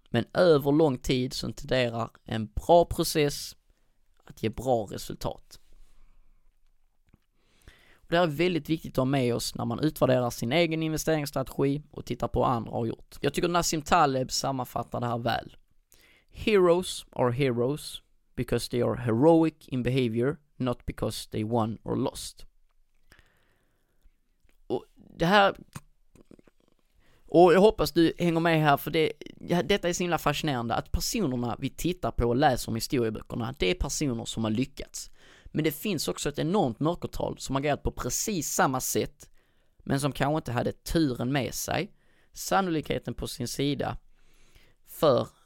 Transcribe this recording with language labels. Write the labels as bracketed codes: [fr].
[sv] Men över lång tid så tenderar en bra process att ge bra resultat. Det här är väldigt viktigt att ha med oss när man utvärderar sin egen investeringsstrategi och tittar på vad andra har gjort. Jag tycker Nassim Taleb sammanfattar det här väl. [en] Heroes are heroes because they are heroic in behavior, not because they won or lost. [sv] Och det här, och jag hoppas du hänger med här, för detta är så himla fascinerande, att personerna vi tittar på och läser om i historieböckerna, det är personer som har lyckats. Men det finns också ett enormt mörkertal som har agerat på precis samma sätt men som kanske inte hade turen med sig, sannolikheten på sin sida för